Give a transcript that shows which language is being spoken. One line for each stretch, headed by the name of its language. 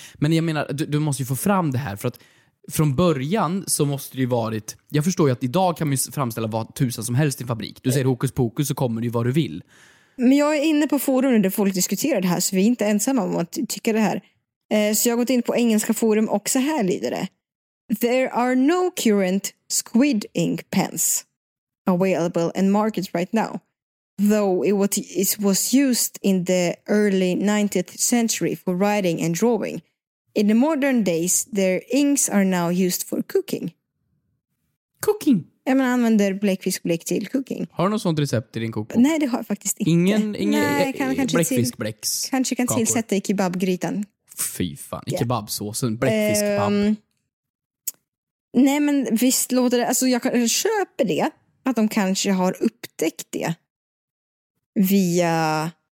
Swedish: Men jag menar, du måste ju få fram det här för att från början så måste det ju varit... Jag förstår ju att idag kan man ju framställa vad tusan som helst i en fabrik. Du säger hokus pokus så kommer det ju vad du vill. Men jag är inne på forum där folk diskuterar det här, så vi är inte ensamma om att tycka det här. Så jag har gått in på engelska forum och så här lyder det.
English: There are no current squid ink pens available in market right now. Though it was used in the early 19th century for writing and drawing. In the modern days, their inks are now used for cooking. Cooking?
Swedish: Ja, man använder bläckfiskbläck till cooking. Har du något sånt recept i din kokbok? Nej, det har jag faktiskt inte. Bläckfiskbläcks. Kanske kan tillsätta i kebabgrytan. Fy fan, i kebabsåsen. Bläckfiskbab. Nej, men visst låter det... Alltså, jag köper det. Att de kanske har upptäckt det. Via...